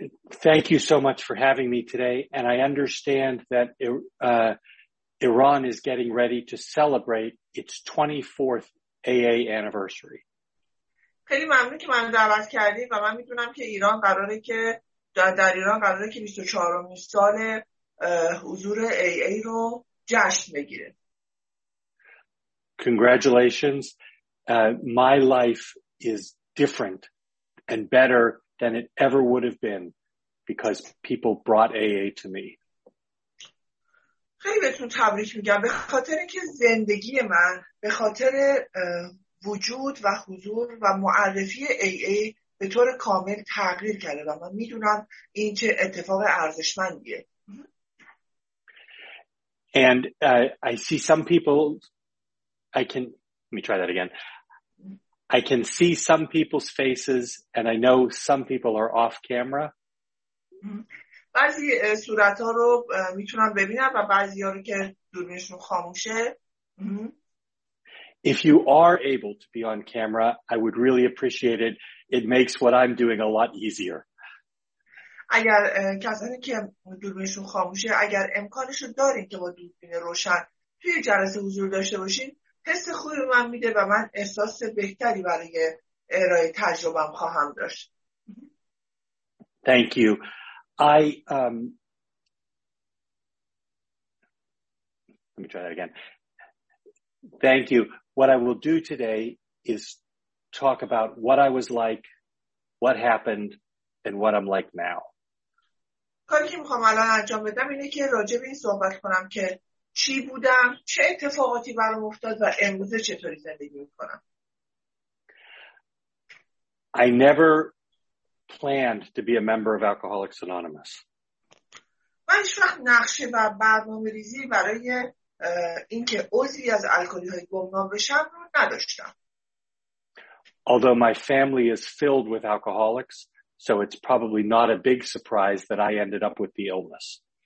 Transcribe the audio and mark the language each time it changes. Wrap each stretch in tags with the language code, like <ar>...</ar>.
<en>Thank you so much for having me today, and I understand that Iran is getting ready to celebrate its 24th AA anniversary.</en> <fa>خیلی ممنون که منو دعوت کردی و من میدونم که ایران قراره که در ایران قراره که 24 سال حضور AA رو جشن بگیره.</fa> <en>Congratulations. My life is different and better than it ever would have been because people brought AA to me.</en> <fa>خیلی بهتون تبریک میگم به خاطر اینکه زندگی من به خاطر وجود و حضور و معرفی AA به طور کامل تغییر کرده و من میدونم این چه اتفاق ارزشمندیه.</fa> <en>And I see some people I can see some people's faces and I know some people are off camera.</en> <fa>بعضی صورت ها رو میتونم ببینم و بعضی ها رو که دوربینشون خاموشه.</fa> <en>If you are able to be on camera, I would really appreciate it. It makes what I'm doing a lot easier.</en> <fa>اگر کسانی که دوربینشون خاموشه، اگر امکانش رو دارین که با دوربین روشن توی جلسه حضور داشته باشین، حس خوبی من میده و من احساس بهتری برای ارائه تجربم خواهم داشت.</fa> <en>Thank you. Let me try that again. Thank you. What I will do today is talk about what I was like, what happened, and what I'm like now.</en> <fa>کاری که میخوام الان انجام بدم اینه که راجع به این صحبت کنم که چی بودم، چه اتفاقاتی برام افتاد و امروزه چطوری زندگی میکنم.</fa> <en>I never planned to be a member of Alcoholics Anonymous.</en> <fa>من هیچ وقت نقشه و برنامه‌ریزی برای اینکه عضوی از الکلی‌های گمنام بشم رو نداشتم.</fa> <en>Although my family is filled with alcoholics, so it's probably not a big surprise that I ended up with the illness.</en>